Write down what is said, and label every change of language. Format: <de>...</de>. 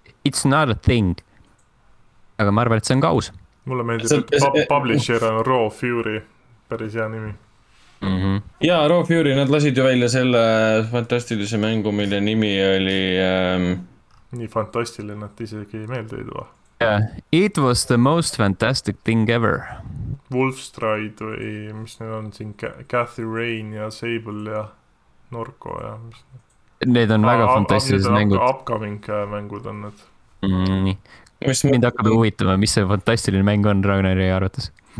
<en>It's not a thing.</en> <et>Aga ma arvan, et see on kaus. Mulle meeldis, et publisher on Raw Fury, päris hea nimi. Jaa, Raw Fury, nad lasid ju välja selle fantastilise mängu, mille nimi oli... Nii fantastiline, et isegi ei meeldinud va.</et> <en>Yeah, it was the most fantastic thing ever.</en> <et>Wolfstride või mis need on siin, Cathy Rain ja Sable ja Norco ja mis need. Need on väga fantastilised mängud. Upcoming mängud on need. Nii. Mind hakkab huvitama, mis see fantastiline mäng on Ragnari arvates.</et>